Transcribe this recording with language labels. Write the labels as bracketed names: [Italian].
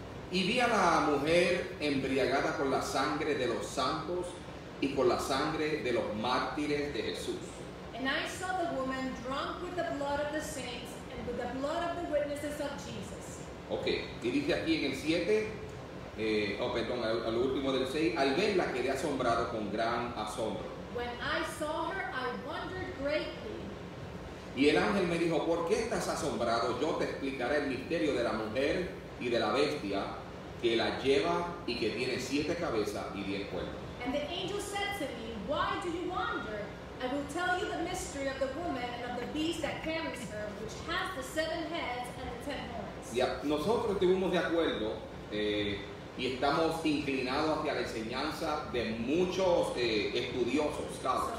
[Spanish] Y vi a la mujer embriagada con la sangre de los santos y con la sangre de los mártires de Jesús. [English] And I saw the woman drunk with the blood of the saints and with the blood of the witnesses of Jesus. [Spanish] Okay. Y dice aquí en el 7. Al último del 6, al verla quedé asombrado con gran asombro. [English] When I saw her, I wondered greatly. [Spanish] Y el ángel me dijo, ¿por qué estás asombrado? Yo te explicaré el misterio de la mujer y de la bestia que la lleva y que tiene 7 cabezas y 10 cuernos. [English] And the angel said to me, why do you wonder? I will tell you the mystery of the woman and of the beast that carries her, which has the 7 heads and the 10 horns. [Spanish] Y nosotros estuvimos de acuerdo. Y estamos inclinados hacia la enseñanza de muchos estudiosos, scholars.